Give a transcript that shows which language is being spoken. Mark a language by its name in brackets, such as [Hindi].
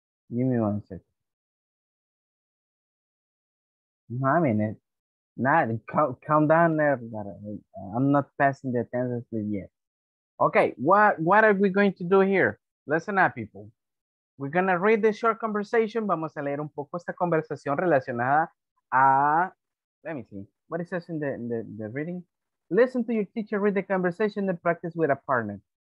[English] Give me 1 second. No, I mean it. Not calm down there. I'm not passing the attendance yet. Okay, what are we going to do here? Listen up, people. We're gonna read this short conversation. [Spanish] Vamos a leer un poco esta conversación relacionada a. [English] Let me see. What is this in the reading? Listen to your teacher read the conversation and practice with a partner.